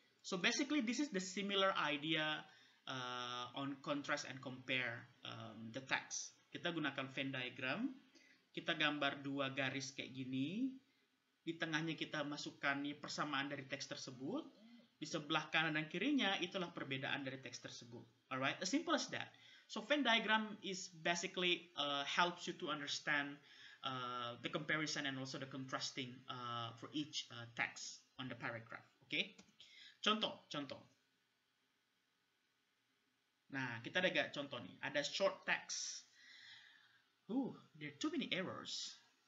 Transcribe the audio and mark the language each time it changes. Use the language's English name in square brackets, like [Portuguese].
[English] So basically this is the similar idea on contrast and compare the text. [Indonesian] Kita gunakan Venn diagram. Kita gambar dua garis kayak gini. Di tengahnya kita masukkan persamaan dari teks tersebut. Di sebelah kanan dan kirinya, itulah perbedaan dari teks tersebut. [English] Alright, as simple as that. So, Venn diagram is basically helps you to understand the comparison and also the contrasting for each text on the paragraph. Okay? Contoh. [Indonesian] Nah, kita ada gak contoh nih. Ada short text. [English] There are too many errors.